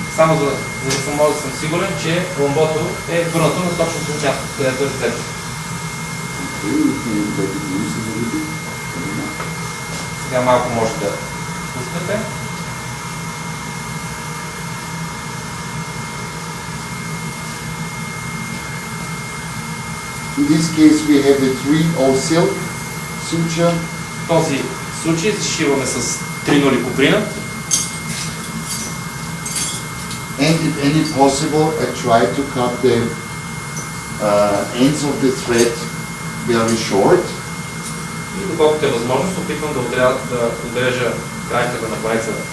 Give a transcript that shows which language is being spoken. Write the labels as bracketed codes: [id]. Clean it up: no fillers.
[bg] Само за да съм може да съм сигурен, че ломбото е върнато на точното място, където е взето. [en] Okay, you can let it loose a little bit. [bg] Сега малко може да пускате. [en] In this case we have a 3-0 silk suture. [bg] В този случай зашиваме с 3-0 куприна. [en] And if any possible, I try to cut the ends of the thread very short. [bg] И доколкото е възможно, опитвам да отрежа краите на корица.